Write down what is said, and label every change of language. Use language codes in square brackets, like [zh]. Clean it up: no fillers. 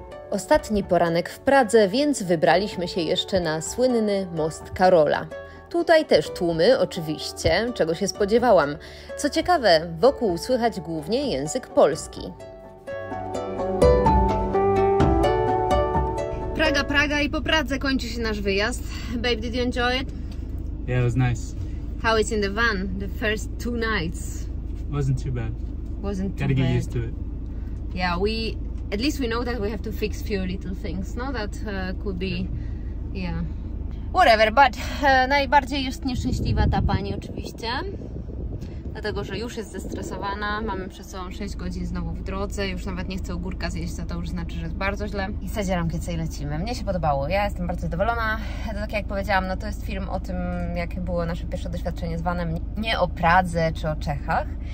[pl] Ostatni poranek w Pradze, więc wybraliśmy się jeszcze na słynny Most Karola. Tutaj też tłumy, oczywiście, czego się spodziewałam. Co ciekawe, wokół słychać głównie język polski. Praga, Praga i po Pradze kończy się nasz wyjazd. [en] Babe, did you enjoy it? Yeah, it was nice. How is in the van, the first two nights? Wasn't too bad. Wasn't too bad. Gotta get used to it. Yeah, at least we know that we have to fix few little things, no? That could be, yeah. Whatever, but [pl] najbardziej jest nieszczęśliwa ta pani oczywiście, dlatego że już jest zestresowana, mamy przez sobą 6 godzin znowu w drodze, już nawet nie chcę ogórka zjeść, to już znaczy, że jest bardzo źle. I zadzieram kiedy sobie lecimy. Mnie się podobało, ja jestem bardzo zadowolona. To tak jak powiedziałam, no to jest film o tym, jakie było nasze pierwsze doświadczenie z vanem, nie o Pradze czy o Czechach.